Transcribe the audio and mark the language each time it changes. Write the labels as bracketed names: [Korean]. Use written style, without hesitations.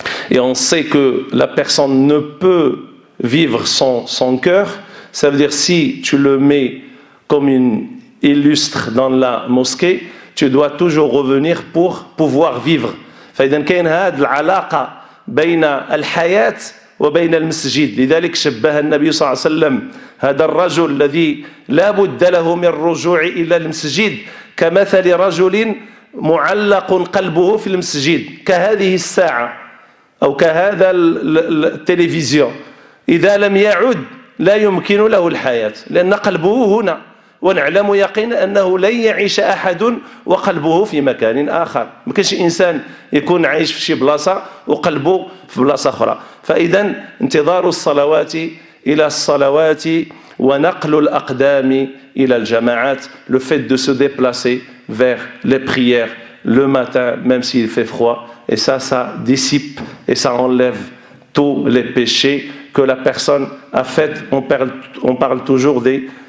[French] Et on sait que la personne ne peut vivre sans son cœur, ça veut dire si tu le mets comme une illustre dans la mosquée, tu dois toujours revenir pour pouvoir vivre. [Arabic] فإذن كان هذا العلاقة بين الحياة وبين المسجد. لذلك شبه النبي صلى الله عليه وسلم هذا الرجل الذي لا بد له من الرجوع إلى المسجد كمثل رجل معلق قلبه في المسجد كهذه الساعة أو كهذا التلفزيون إذا لم يعد لا يمكن له الحياة لأن قلبه هنا ونعلم يقين أنه لن يعيش أحد وقلبه في مكان آخر. ما كانش إنسان يكون عايش في شي بلاصة وقلبه في بلاصة أخرى. فإذا انتظار الصلوات إلى الصلوات ونقل الأقدام إلى الجماعات. [French] Le fait de se déplacer vers les prières le matin même s'il fait froid. Et ça, ça dissipe et ça enlève tous les péchés que la personne a fait. On parle toujours des